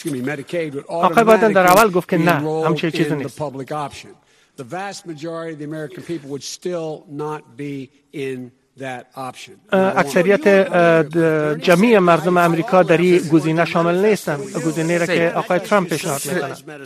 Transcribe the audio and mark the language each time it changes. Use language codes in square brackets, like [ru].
[fa] آقای بایدن در اول گفت که نه همچه چیزی نیست [en] The vast majority of the American people would still not be in that option. [fa] اکثریت جمعی مردم امریکا در این گزینه شامل نیستن. گزینه‌ای را که آقای ترامپ پیشنهاد می‌کنه.